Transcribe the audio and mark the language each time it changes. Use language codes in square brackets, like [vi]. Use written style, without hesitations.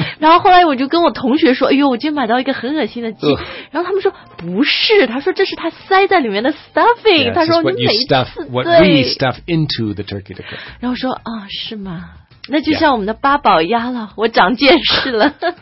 [zh] 然后后来我就跟我同学说：“哎呦，我今天买到一个很恶心的鸡。” 然后他们说：“不是，他说这是他塞在里面的 stuffing。” 他说：“你每次对。” [en] What we stuff into the turkey to cook. [zh] 然后说：“啊，是吗？” 那就像我们的八宝鸭了，我长见识了。